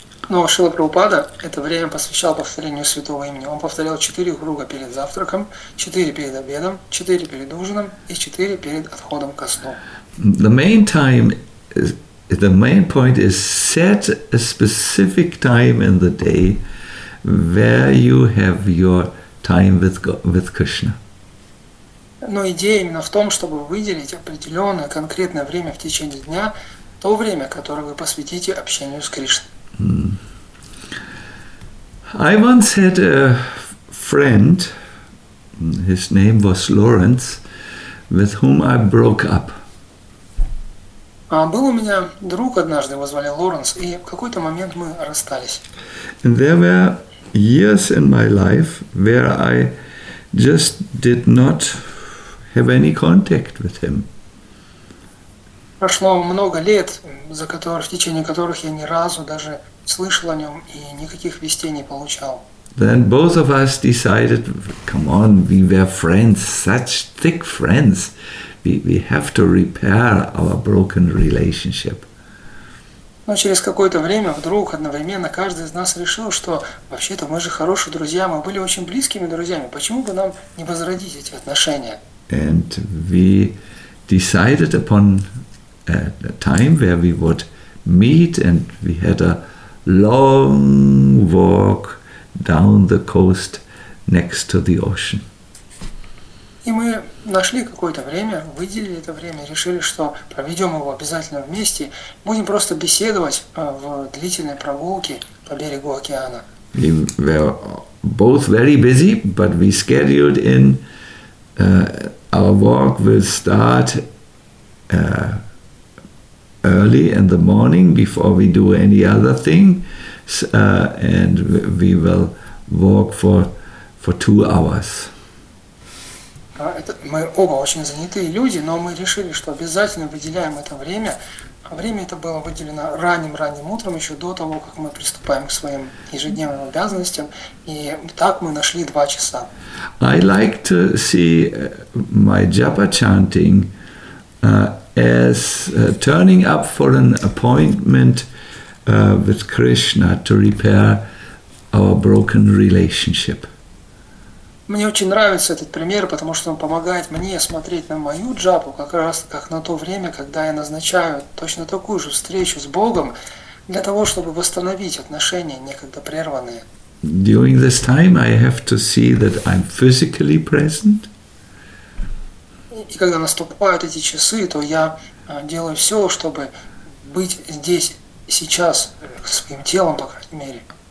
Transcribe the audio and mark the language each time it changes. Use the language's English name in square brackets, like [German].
[Russian] Но Шрила Прабхупада это время посвящал повторению Святого Имени. Он повторял 4 круга перед завтраком, 4 перед обедом, 4 перед ужином и 4 перед отходом ко сну. [English] The main point is set a specific time in the day where you have your time with Krishna. [Russian] Но идея именно в том, чтобы выделить определенное конкретное время в течение дня, то время, которое вы посвятите общению с Кришной. [English] I once had a friend, his name was Lawrence, with whom I broke up. [Russian] Был у меня друг однажды, его звали Лоренс, и в какой-то момент мы расстались. [English] And there were years in my life where I just did not have any contact with him. [Russian] Прошло много лет, в течение которых я ни разу даже слышал о нем и никаких вестей не получал. [English] Then both of us decided, come on, we were friends, such thick friends. We have to repair our broken relationship. [Russian] Но через какое-то время вдруг одновременно каждый из нас решил, что вообще-то мы же хорошие друзья, мы были очень близкими друзьями, почему бы нам не возродить эти отношения? [English] And we decided upon a time where we would meet, and we had a long walk down the coast next to the ocean. [Russian] И мы нашли какое-то время, выделили это время, решили, что проведем его обязательно вместе, будем просто беседовать в длительной прогулке по берегу океана. [English] We were both very busy, but we scheduled in our walk will start early in the morning before we do any other thing, and we will walk for 2 hours. [Russian] Мы оба очень занятые люди, но мы решили, что обязательно выделяем это время. Время это было выделено ранним-ранним утром, еще до того, как мы приступаем к своим ежедневным обязанностям. И так мы нашли 2 часа. [English] I like to see my japa chanting as turning up for an appointment with Krishna to repair our broken relationship. [Russian] Мне очень нравится этот пример, потому что он помогает мне смотреть на мою джапу как раз как на то время, когда я назначаю точно такую же встречу с Богом для того, чтобы восстановить отношения, некогда прерванные. [English] During this time I have to see that I'm physically present. [Russian] И когда наступают эти часы, то я делаю все, чтобы быть здесь сейчас своим телом, по крайней мере.